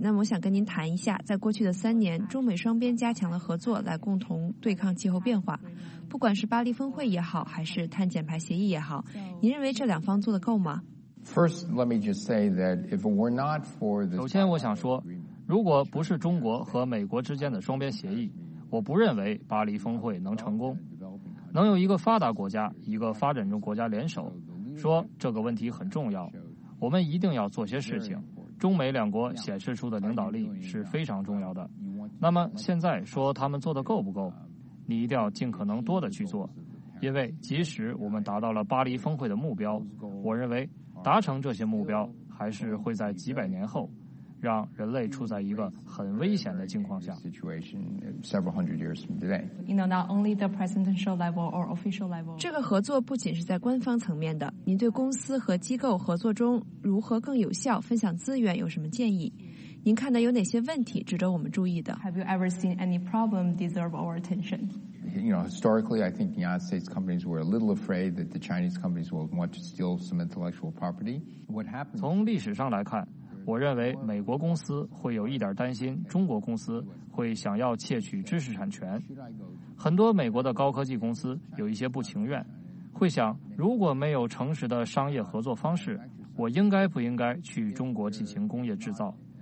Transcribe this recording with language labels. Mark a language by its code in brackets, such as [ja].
[zh] 那么我想跟您谈一下，在过去的3年，中美双边加强了合作，来共同对抗气候变化。不管是巴黎峰会也好，还是碳减排协议也好，您认为这两方做得够吗？ [en] First, let me just say that if it were not for the. [zh] 首先，我想说，如果不是中国和美国之间的双边协议，我不认为巴黎峰会能成功。能有一个发达国家、一个发展中国家联手，说这个问题很重要，我们一定要做些事情。中美两国显示出的领导力是非常重要的。那么现在说他们做得够不够？你一定要尽可能多的去做，因为即使我们达到了巴黎峰会的目标，我认为。达成这些目标还是会在几百年后让人类处在一个很危险的境况下。这个合作不仅是在官方层面的，您对公司和机构合作中如何更有效分享资源有什么建议？您看到有哪些问题值得我们注意的？ [en] Have you ever seen any problem deserve our attention? You know, historically, I think the United States companies were a little afraid that the Chinese companies would want to steal some intellectual property. What happened? [zh] 从历史上来看，我认为美国公司会有一点担心中国公司会想要窃取知识产权。很多美国的高科技公司有一些不情愿，会想如果没有诚实的商业合作方式，我应该不应该去中国进行工业制造？